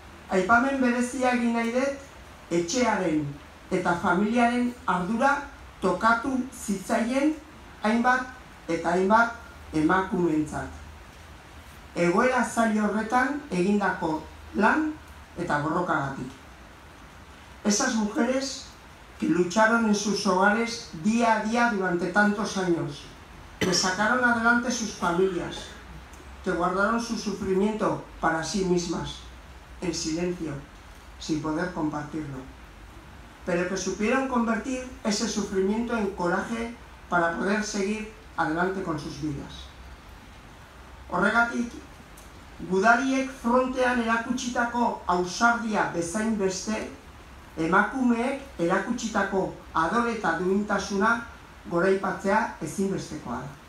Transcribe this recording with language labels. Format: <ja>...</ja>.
<eu>Aipamen berezia egin nahi dut etxearen eta familiaren ardura tokatu zitzaien hainbat eta hainbat emakumeentzat. Egoera zail horretan egindako lan eta borrokagatik.</eu> <es>Esas mujeres que lucharon en sus hogares día a día durante tantos años, que sacaron adelante sus familias, que guardaron su sufrimiento para sí mismas, en silencio, sin poder compartirlo, pero que supieron convertir ese sufrimiento en coraje para poder seguir adelante con sus vidas.</es> <eu>Horregatik, gudariek frontean erakutsitako ausardia bezain beste, emakumeek erakutsitako adore eta duintasuna goraipatzea ezinbestekoa da.</eu>